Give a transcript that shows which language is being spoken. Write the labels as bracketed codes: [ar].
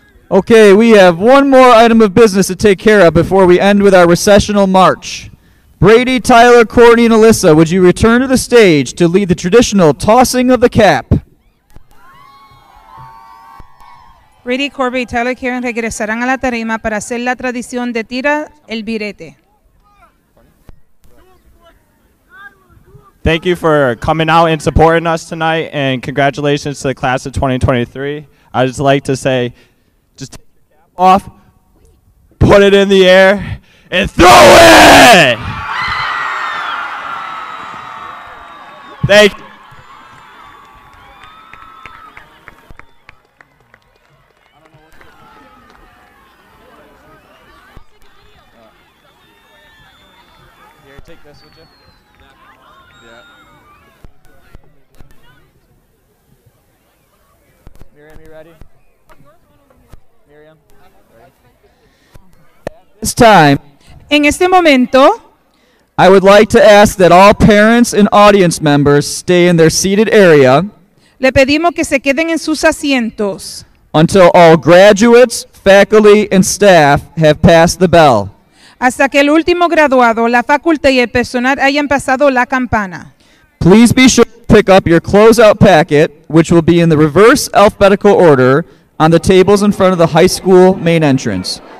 [en] Okay, we have one more item of business to take care of before we end with our recessional march. Brady, Tyler, Courtney, and Alyssa, would you return to the stage to lead the traditional tossing of the cap? [es] Brady, Corby, Tyler, Karen regresarán a la tarima para hacer la tradición de tira el birete. [en] Thank you for coming out and supporting us tonight, and congratulations to the class of 2023. I'd just like to say, just take your cap off, put it in the air, and throw it! Thank you. This time, [es] en este momento, [en] I would like to ask that all parents and audience members stay in their seated area. [es] Le pedimos que se queden en sus asientos [en] until all graduates, faculty, and staff have passed the bell. [es] Hasta que el último graduado, la facultad y el personal hayan pasado la campana. [en] Please be sure to pick up your closeout packet, which will be in the reverse alphabetical order on the tables in front of the high school main entrance.